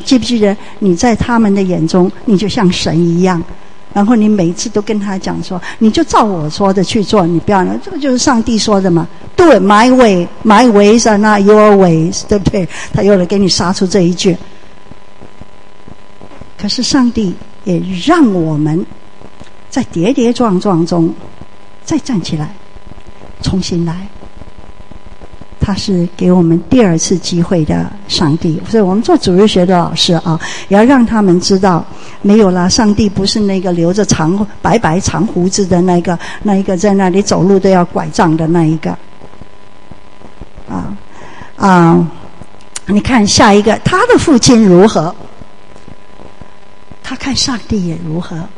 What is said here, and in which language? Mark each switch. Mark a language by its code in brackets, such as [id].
[zh] 记不记得你在他们的眼中你就像神一样，然后你每次都跟他讲说，你就照我说的去做，你不要，这个就是上帝说的嘛。 [en] Do it my way. My ways are not your ways， [zh] 对不对？他又来给你杀出这一句。可是上帝也让我们在跌跌撞撞中再站起来，重新来。他是给我们第二次机会的上帝，所以我们做主日学的老师也要让他们知道，没有了上帝不是那个留着长白白长胡子的那一个在那里走路都要拐杖的那一个你看下一个，他的父亲如何，他看上帝也如何。